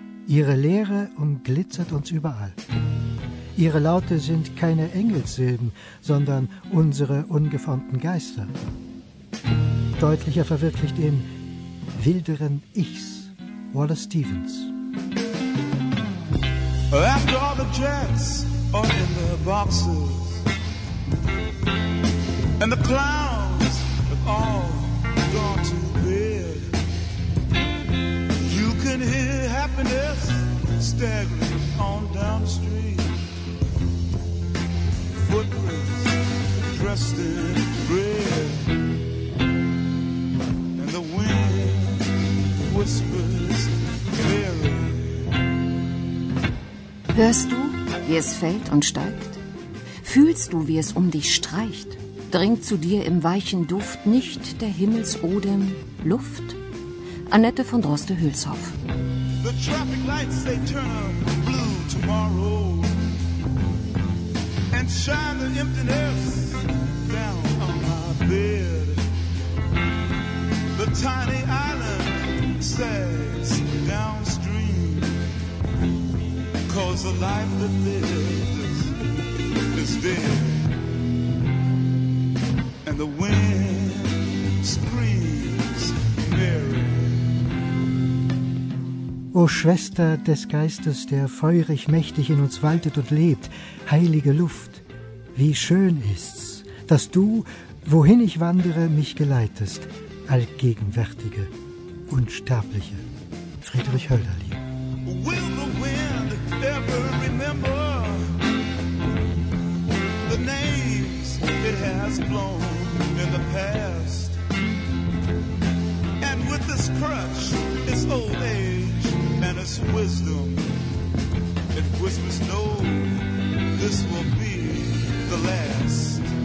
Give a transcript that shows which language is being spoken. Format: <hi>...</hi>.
<de>Ihre Leere umglitzert uns überall. Ihre Laute sind keine Engelssilben, sondern unsere ungeformten Geister. Deutlicher verwirklicht im wilderen Ichs, Wallace Stevens.</de> <en>After all the jets are in their boxes and the clowns have all gone to bed, you can hear happiness staggering on down the street. Footprints dressed in red and the wind whispers clearly.</en> <de>Hörst du, wie es fällt und steigt? Fühlst du, wie es um dich streicht? Dringt zu dir im weichen Duft nicht der Himmelsodem Luft? Annette von Droste-Hülshoff.</de> <en>The traffic lights, they turn blue tomorrow and shine the emptiness down on my bed. The tiny island sags down. Cause the life that lives is dead, and the wind screams, Mary.</en> <de>O Schwester des Geistes, der feurig mächtig in uns waltet und lebt, heilige Luft, wie schön ist's, dass du, wohin ich wandere, mich geleitest, allgegenwärtige, unsterbliche. Friedrich Hölderlin.</de> <en>Will the wind ever remember the names it has blown in the past? And with this crutch, its old age and its wisdom, it whispers, no, this will be the last.</en>